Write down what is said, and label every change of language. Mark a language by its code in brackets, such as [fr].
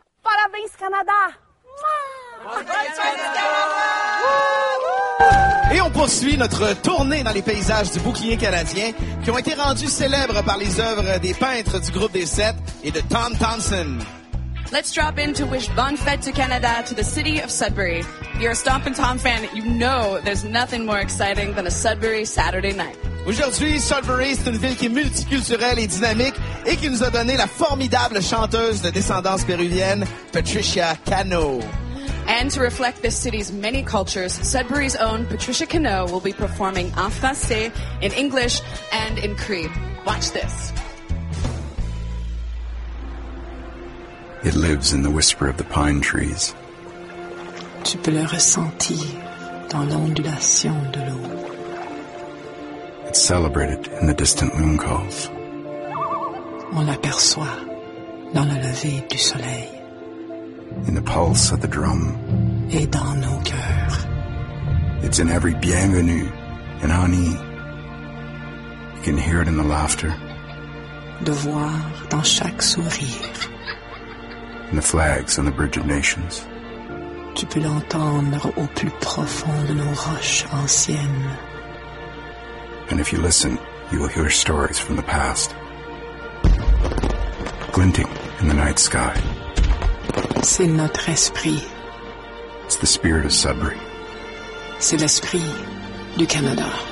[pt] Parabéns, Canada! [fr] Bonne fête, Canada! Et on poursuit notre tournée dans les paysages du bouclier canadien qui ont été rendus célèbres par les œuvres des peintres du groupe des Sept et de Tom Thompson. [en] Let's drop in to wish [fr] Bonne Fête [en] to Canada to the city of Sudbury. If you're a Stompin' Tom fan, you know there's nothing more exciting than a Sudbury Saturday night. [fr] Aujourd'hui, Sudbury, c'est une ville qui est multiculturelle et dynamique et qui nous a donné la formidable chanteuse de descendance péruvienne, Patricia Cano. [en] And to reflect this city's many cultures, Sudbury's own Patricia Cano will be performing [fr] en français, [en] in English, and in Cree. Watch this. It lives in the whisper of the pine trees. [fr] Tu peux le ressentir dans l'ondulation de l'eau. [en] It's celebrated in the distant moon calls. [fr] On l'aperçoit dans le lever du soleil. [en] In the pulse of the drum. [fr] Et dans nos cœurs. [en] It's in every bienvenue and honey. You can hear it in the laughter. [fr] De voir dans chaque sourire. [en] And the flags on the Bridge of Nations. [fr] Tu peux l'entendre au plus profond de nos roches anciennes. [en] And if you listen, you will hear stories from the past. Glinting in the night sky. [fr] C'est notre esprit. [en] It's the spirit of Sudbury. [fr] C'est l'esprit du Canada.